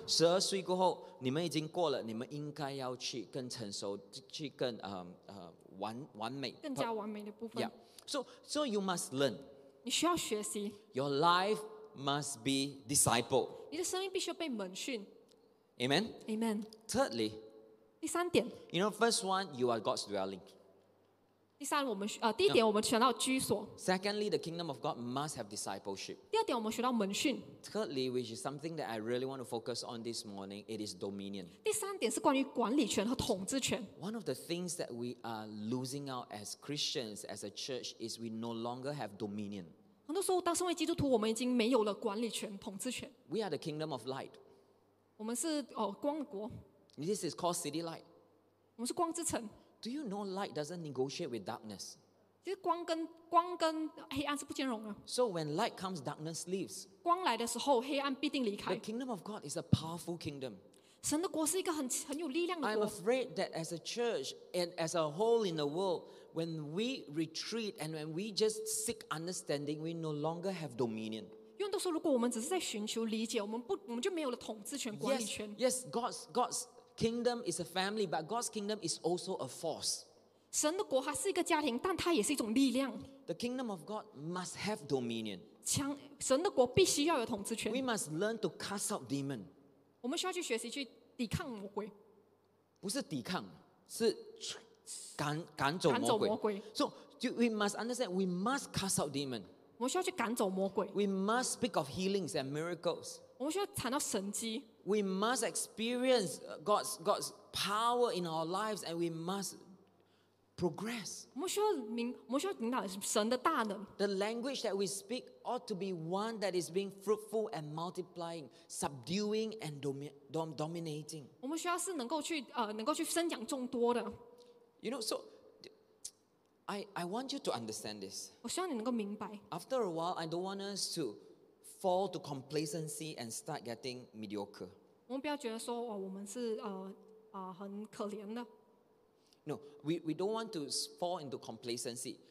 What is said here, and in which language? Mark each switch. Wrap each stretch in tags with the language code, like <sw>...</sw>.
<zh>So, 12岁过后, 你们已经过了, 你们应该要去更成熟, 去更, 完美, 更加完美的部分。</zh> <en>Yeah. So you must learn.</en> <zh>你需要学习。</zh> <en>Your life must be disciple.</en> <zh>你的生命必须要被门训。</zh> <en>Amen. Amen. Thirdly,</en> <zh>第三点,</zh> <en>you know, first one, you are God's dwelling.</en> <zh>第一点我们学到居所。</zh> <en>Secondly, the kingdom of God must have discipleship.</en> <zh>第二点我们学到门训。</zh> <en>Thirdly, which is something that I really want to focus on this morning, it is dominion.</en> <zh>第三点是关于管理权和统治权。</zh> <en>One of the things that we are losing out as Christians, as a church, is we no longer have dominion.</en> <zh>很多时候当身为基督徒我们已经没有了管理权统治权。</zh> <en>We are the kingdom of light.</en> <zh>我们是光国。</zh> <en>This is called city light.</en> <zh>我们是光之城。</zh> <en>Do you know light doesn't negotiate with darkness?</en> <zh>其实光跟黑暗是不兼容的。</zh> <en>So when light comes, darkness leaves.</en> <zh>光来的时候, 黑暗必定离开。</zh> <en>The kingdom of God is a powerful kingdom.</en> <zh>神的国是一个很有力量的国。</zh> <en>I'm afraid that as a church and as a whole in the world, when we retreat and when we just seek understanding, we no longer have dominion.</en> <zh>用的时候如果我们只是在寻求理解，我们就没有了统治权、管理权。</zh> <en>Yes, God's kingdom is a family, but God's kingdom is also a force.</en> <zh>神的国它是一个家庭, 但它也是一种力量。</zh> <en>The kingdom of God must have dominion.</en> <zh>强, 神的国必须要有统治权。</zh> <en>We must learn to cast out demons.</en> <zh>我们需要去学习去抵抗魔鬼。不是抵抗, 是赶走魔鬼。赶走魔鬼。</zh> <en>So we must understand, we must cast out demons.</en> <zh>我们需要去赶走魔鬼。</zh> <en>We must speak of healings and miracles.</en> <zh>我们需要谈到神迹。</zh> <en>We must experience God's power in our lives and we must progress.</en> <zh>我们需要领导神的大能。</zh> <en>The language that we speak ought to be one that is being fruitful and multiplying, subduing and dominating.</en> <zh>我们需要是能够去伸讲众多的。</zh> <en>You know, so I want you to understand this.</en> <zh>我希望你能够明白。</zh> <en>After a while, I don't want us to fall to complacency and start getting mediocre.</en> <zh>我们不要觉得说, 哦, 我们是, 很可怜的。</zh> <en>No, we don't want to fall into complacency.</en>